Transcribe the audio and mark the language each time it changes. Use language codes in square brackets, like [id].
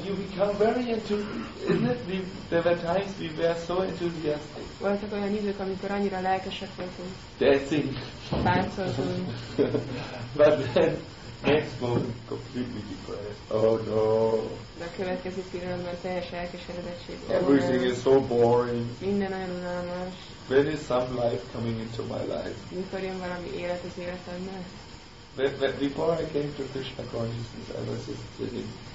[en] You become very enthusiastic, isn't it? There were times we were so enthusiastic. [hu] Voltak olyan idők, amikor annyira lelkesek voltunk. [en] Dancing. [hu] Táncoltunk. [en] But then, next moment, completely depressed. Oh no. [hu] De a következő pillanatban teljes elkeseredettség. [en] Everything is so boring. [hu] Minden olyan unalmas. [en] When is some life coming into my life? [hu] Mikor jön valami élet az életembe? [en] Before I came to Krishna consciousness, I was just sitting.